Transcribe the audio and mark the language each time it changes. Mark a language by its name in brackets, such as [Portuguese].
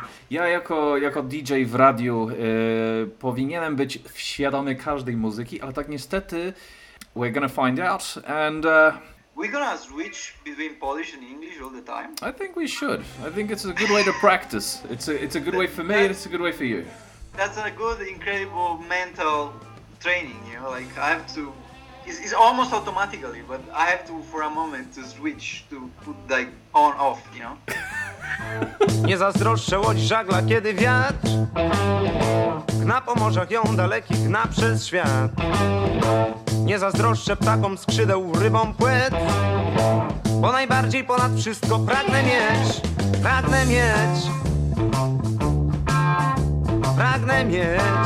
[Polish] Ja jako DJ w radiu powinienem być świadomy każdej muzyki, ale tak niestety [English] we're gonna find out and... We're gonna switch between Polish and English all the time? I think we should. I think it's a good way to practice. It's a good way for me and it's a good way for you. That's a good, incredible mental training, you know? Like, I have to... It's almost automatically, but I have to, for a moment, to switch to put, like, on, off, you know? [Polish] Nie zazdroszczę łodzi żagla, kiedy wiatr gna po morzach ją daleki, gna przez świat. Nie zazdroszczę ptakom skrzydeł, rybom płet, bo najbardziej ponad wszystko pragnę mieć.